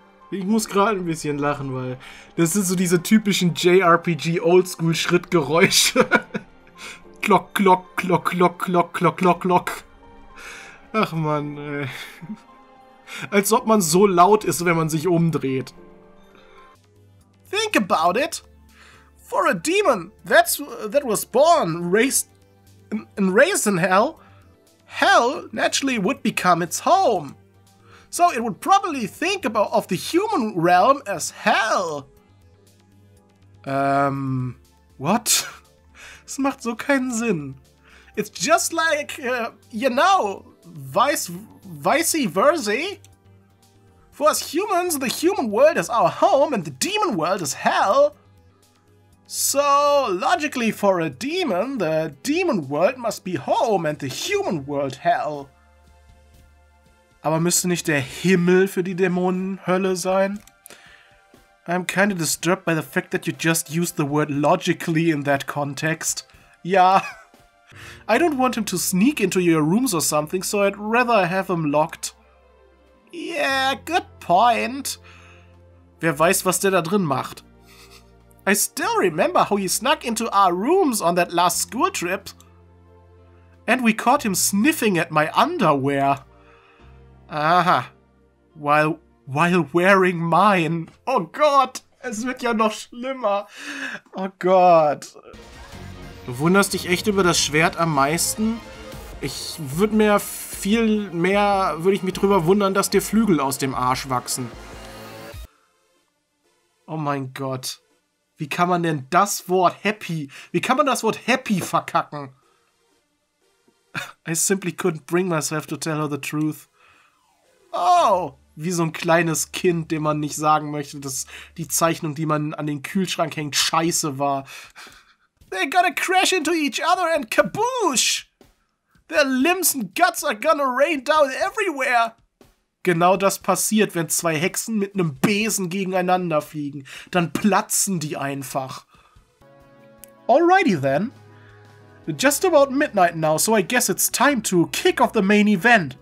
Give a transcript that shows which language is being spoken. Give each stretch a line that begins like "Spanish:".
German: Ich muss gerade ein bisschen lachen, weil das sind so diese typischen JRPG-Oldschool-Schrittgeräusche. Klock, klock, klock, klock, klock, klock, klock, klock. Ach man, ey. Als ob man so laut ist, wenn man sich umdreht.
English: Think about it. For a demon that was born, raised in hell, hell naturally would become its home. So it would probably think of the human realm as hell. What?
German: Das macht so keinen Sinn.
English: It's just like, you know, vice versa. For us humans, the human world is our home and the demon world is hell. So, logically for a demon, the demon world must be home and the human world hell.
German: Aber müsste nicht der Himmel für die Dämonen Hölle sein?
English: I'm kind of disturbed by the fact that you just used the word logically in that context. Ja. I don't want him to sneak into your rooms or something, so I'd rather have him locked. Yeah, good point.
German: Wer weiß, was der da drin macht.
English: I still remember how he snuck into our rooms on that last school trip. And we caught him sniffing at my underwear. Aha. While wearing mine.
German: Oh Gott, es wird ja noch schlimmer. Oh Gott. Du wunderst dich echt über das Schwert am meisten? Ich würde mir viel mehr, würde ich mich drüber wundern, dass dir Flügel aus dem Arsch wachsen. Oh mein Gott. Wie kann man denn das Wort happy, wie kann man das Wort happy verkacken?
English: I simply couldn't bring myself to tell her the truth. Oh!
German: Wie so ein kleines Kind, dem man nicht sagen möchte, dass die Zeichnung, die man an den Kühlschrank hängt, scheiße war.
English: They're gonna crash into each other and kaboosh! Their limbs and guts are gonna rain down everywhere.
German: Genau das passiert, wenn zwei Hexen mit einem Besen gegeneinander fliegen. Dann platzen die einfach.
English: Alrighty then. Just about midnight now, so I guess it's time to kick off the main event.